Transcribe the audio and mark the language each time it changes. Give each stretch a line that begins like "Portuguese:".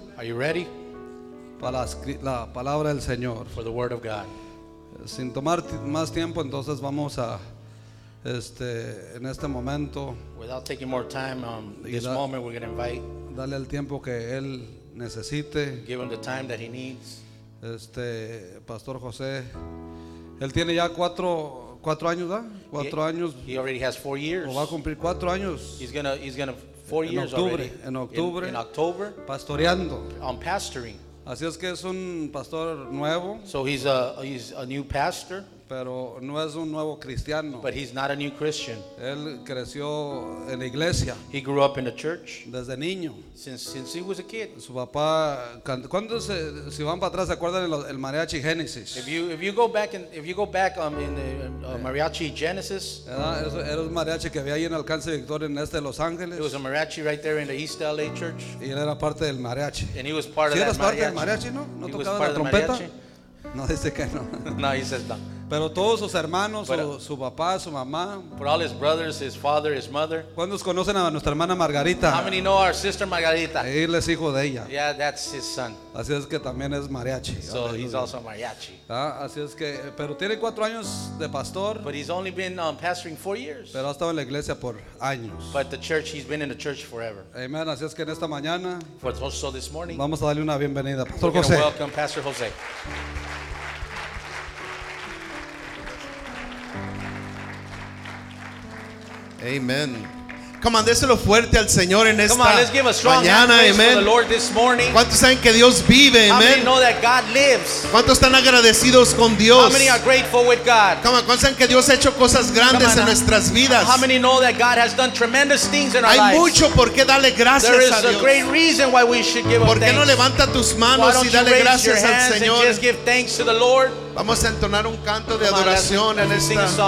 English: Are you ready?
Spanish: Para la palabra del Señor.
English: For the word of God.
Spanish: Sin tomar más tiempo, entonces vamos a En este momento,
English: without taking more time, this moment we're going to invite.
Spanish: Dale el tiempo que él necesite.
English: Give him the time that he needs.
Spanish: Pastor José, él tiene ya cuatro años, ¿da? Cuatro años.
English: He already has 4 years.
Spanish: O va a cumplir cuatro años.
English: He's gonna 4 years already. In October.
Spanish: Pastoreando.
English: On pastoring.
Spanish: Así es que es un pastor nuevo.
English: So he's a new pastor.
Spanish: Pero no es un nuevo cristiano.
English: But he's not a new Christian.
Spanish: Él creció en la iglesia.
English: He grew up in the church.
Spanish: Desde niño.
English: Since he was a kid.
Spanish: Su papá, cuando se, si van para atrás, ¿se acuerdan el mariachi Genesis?
English: If you go back in mariachi Genesis.
Spanish: Era un mariachi que había ahí en Alcance Victoria en este de Los Ángeles.
English: It was a mariachi right there in the East LA church.
Spanish: Y él era parte del mariachi.
English: And he was part of that mariachi.
Spanish: ¿Sí eras parte del mariachi, no? ¿No tocaba la trompeta? No, dice que no.
English: No, he says no.
Spanish: Pero todos sus hermanos, su papá, su mamá.
English: For all his brothers, his father, his mother.
Spanish: ¿Cuántos conocen a nuestra hermana Margarita?
English: How many know our sister Margarita?
Spanish: Él es hijo de ella.
English: Yeah, that's his son.
Spanish: Así es que también es mariachi.
English: So he's also mariachi.
Spanish: Ah, así es que, pero tiene cuatro años de pastor.
English: But he's only been pastoring 4 years.
Spanish: Pero ha estado en la iglesia por años.
English: But the church, he's been in the church forever.
Spanish: Amen. Así es que en esta mañana.
English: For also this morning.
Spanish: Vamos a darle una bienvenida, Pastor José.
English: Welcome, Pastor José. Amen. Come on,
Spanish: déselo fuerte al Señor en esta mañana. Amen. ¿Cuántos saben que Dios vive? Amen. ¿Cuántos están agradecidos con Dios?
English: How many are grateful with God? Come on,
Spanish: ¿cuántos saben que Dios ha hecho cosas grandes en nuestras vidas?
English: How many know that God has done tremendous things in our
Spanish: Hay
English: lives?
Spanish: Mucho por qué darle gracias a Dios.
English: There is a great reason why we should give.
Spanish: ¿Por qué no levanta tus manos y dale gracias al Señor?
English: And just give thanks to the Lord?
Spanish: Vamos a entonar un canto de adoración en esta.